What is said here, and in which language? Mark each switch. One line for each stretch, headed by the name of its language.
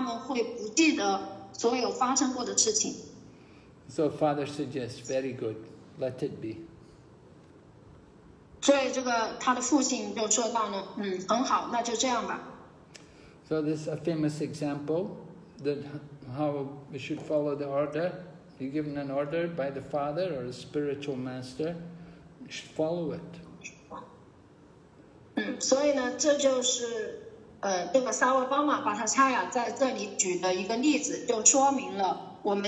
Chinese: 然后这个帕拉苏拉玛就回答说呢，我要一个祝福，就是我的母亲和我的这些兄长们都重新获得这个重新又活过来，而且呢，他们会不记得所有发生过的事情。
English: So father suggests, "Very good, let it be."
Chinese: 所以这个他的父亲就说到呢，很好，那就这样吧。
English: So this is a famous example that how we should follow the order. You're given an order by the father or a spiritual master, you should follow it.
Chinese: 所以呢，这就是这个萨瓦巴玛巴塔恰雅在这里举的一个例子，就说明了。